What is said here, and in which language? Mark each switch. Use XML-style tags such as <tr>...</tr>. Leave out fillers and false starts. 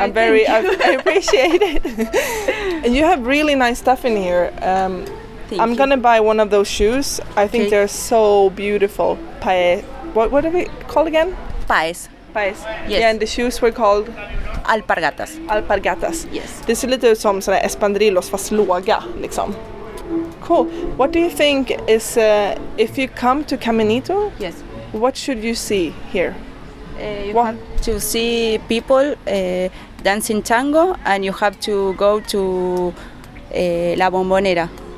<en>I appreciate it. And you have really nice stuff in here. Thank I'm you. Gonna buy one of those shoes. I think okay. They're so beautiful. What are we called again? Paes. Paes. Yes. Yeah, and the shoes were called. Alpargatas. Alpargatas. Yes.</en> <sv>Det ser lite ut som sådana espandrillos fast låga, liksom.</sv> <en>Cool. What do you think is if you come to Caminito? Yes. What should you see here? You what? Have to see people dancing tango, and you have to go to La Bombonera.</en>